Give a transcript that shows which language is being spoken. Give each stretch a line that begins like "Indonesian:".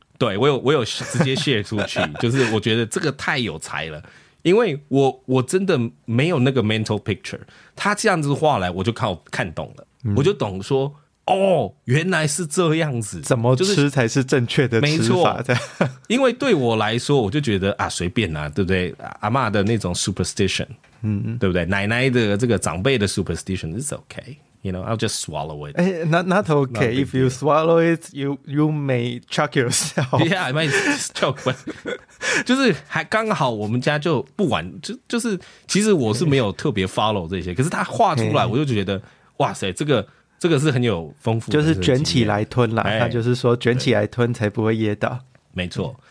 Chinese: 对，我有直接卸出去，就是我觉得这个太有才了，因为我真的没有那个 mental picture， 他这样子画来，我就看懂了，我就懂说。哦，原来是这样子，怎么吃才是正确的吃法？没错，因为对我来说，我就觉得啊，随便啊，对不对？阿嬷的那种 superstition， 嗯，对不对？奶奶的这个长辈的
English: superstition is okay， you know， I'll just swallow it。 Not okay. If you swallow it, you may choke yourself. Yeah, I might choke. But
Chinese: 就是还刚好，我们家就不玩，就是其实我是没有特别 follow 这些，可是他画出来，我就觉得哇塞，这个是很有丰富的，就是卷起来吞啦，他就是说卷起来吞才不会噎到，没错。